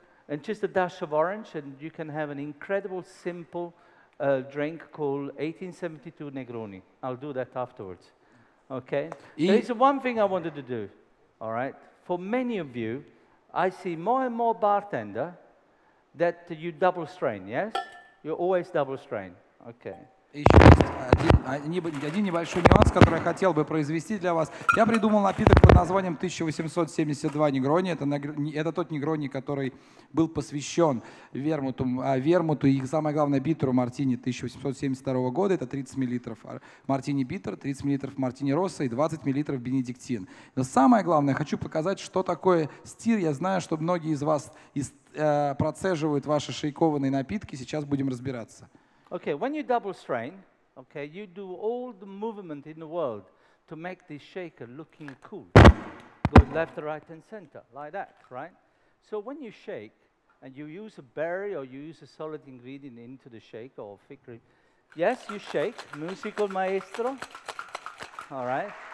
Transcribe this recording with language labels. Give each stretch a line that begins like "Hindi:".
English: And just a dash of orange, and you can have an incredible, simple drink called 1872 Negroni. I'll do that afterwards. Okay? There is one thing I wanted to do, all right? For many of you, I see more and more bartender that you double strain, yes? You always double strain. Okay.
Russian: Еще один небольшой нюанс, который я хотел бы произвести для вас. Я придумал напиток под названием 1872 Негрони. Это тот Негрони, который был посвящен вермуту и, самое главное, битеру мартини 1872 года. Это 30 миллилитров мартини битер, 30 миллилитров мартини росса и 20 миллилитров бенедиктин. Но самое главное, хочу показать, что такое стир. Я знаю, что многие из вас процеживают ваши шейкованные напитки. Сейчас будем разбираться.
English: Okay, when you double strain, okay, you do all the movement in the world to make this shaker looking cool. Go left, right, and center, like that, right? So when you shake, and you use a berry or you use a solid ingredient into the shake or thick cream, yes, you shake, musical maestro, all right?